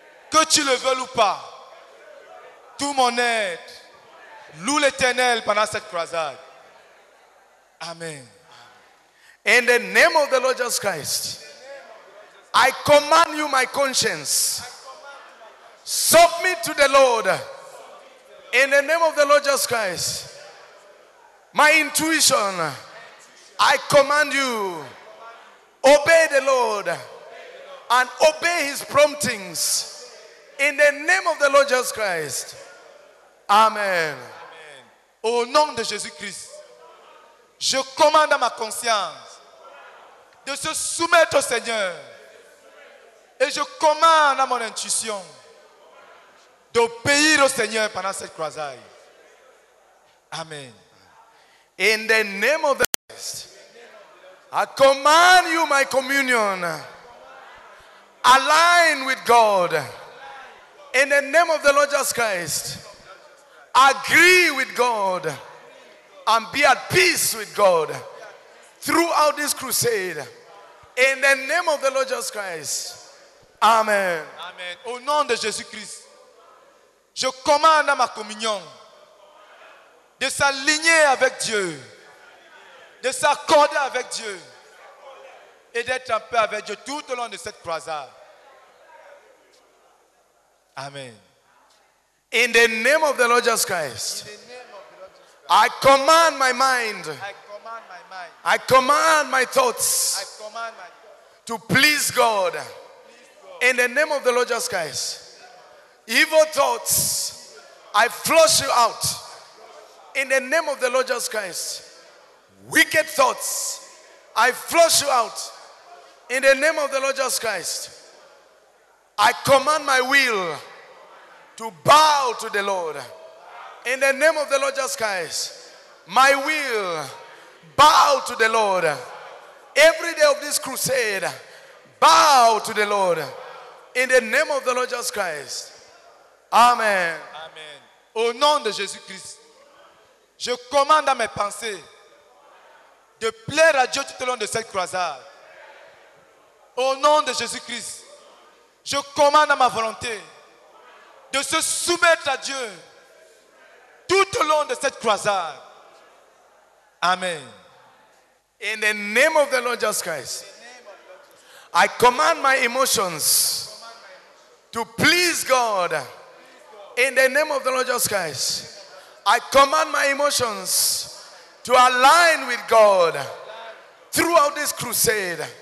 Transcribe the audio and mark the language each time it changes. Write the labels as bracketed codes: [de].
[fr] Que tu le veuilles ou pas, tout mon être loue l'Éternel pendant cette croisade. Amen. [en] In the name of the Lord Jesus Christ, I command you, my conscience, submit to the Lord. In the name of the Lord Jesus Christ, my intuition, I command you, obey the Lord and obey his promptings. In the name of the Lord Jesus Christ. Amen. [fr] Au nom de Jésus Christ, je commande à ma conscience de se soumettre au Seigneur. Et je commande à mon intuition d'obéir au Seigneur pendant cette croisade. Amen. [en] In the name of the Lord Christ, I command you, my communion, align with God. In the name of the Lord Jesus Christ, agree with God and be at peace with God throughout this crusade. In the name of the Lord Jesus Christ, amen. Amen. [fr] Au nom de Jésus Christ, je commande à ma communion de s'aligner avec Dieu, de s'accorder avec Dieu et d'être en paix avec Dieu tout au long de cette croisade. Amen. [en] In the name of the Lord Jesus Christ, I command my mind, I command my thoughts to please God. In the name of the Lord Jesus Christ, evil thoughts, I flush you out. In the name of the Lord Jesus Christ, wicked thoughts, I flush you out. In the name of the Lord Jesus Christ, I command my will to bow to the Lord. In the name of the Lord Jesus Christ, my will bow to the Lord. Every day of this crusade, bow to the Lord. In the name of the Lord Jesus Christ. Amen. Amen. [fr] Au nom de Jésus Christ, je commande à mes pensées de plaire à Dieu tout au long de cette croisade. Au nom de Jésus Christ, je commande à ma volonté de se soumettre à Dieu tout au long de cette croisade. Amen. [en] In the name of the Lord Jesus Christ, I command my emotions to please God. In the name of the Lord Jesus Christ, I command my emotions to align with God throughout this crusade.